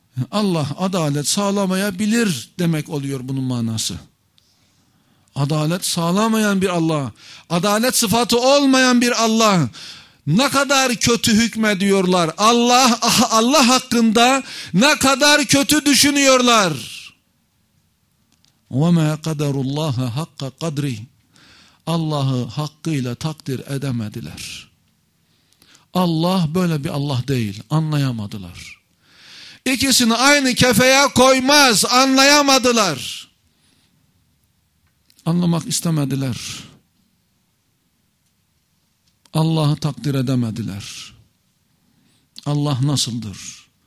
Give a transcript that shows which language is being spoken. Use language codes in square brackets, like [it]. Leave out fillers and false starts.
[tr] Allah adalet sağlamayabilir demek oluyor bunun manası. Adalet sağlamayan bir Allah, adalet sıfatı olmayan bir Allah ne kadar kötü hükmediyorlar. Allah hakkında ne kadar kötü düşünüyorlar. [ar] وَمَا قَدَرُ اللّٰهَ حَقَّ قَدْرِهِ, [tr] Allah'ı hakkıyla takdir edemediler. Allah böyle bir Allah değil, anlayamadılar. İkisini aynı kefeye koymaz, anlayamadılar. Anlamak istemediler. Allah'ı takdir edemediler. Allah nasıldır?